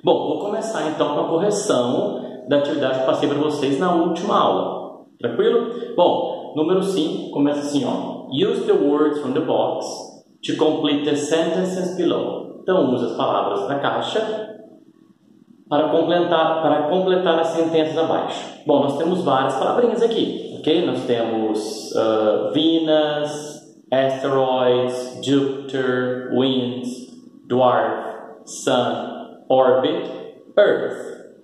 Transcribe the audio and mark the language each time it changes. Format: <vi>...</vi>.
<pt>Bom, vou começar então com a correção da atividade que passei para vocês na última aula. Tranquilo? Bom, número 5 começa assim, ó.</pt> <en>Use the words from the box to complete the sentences below.</en> <pt>Então, use as palavras na caixa para completar as sentenças abaixo. Bom, nós temos várias palavrinhas aqui, ok? Nós temos Venus, asteroids, Jupiter, winds, dwarf, sun, orbit, earth.</pt>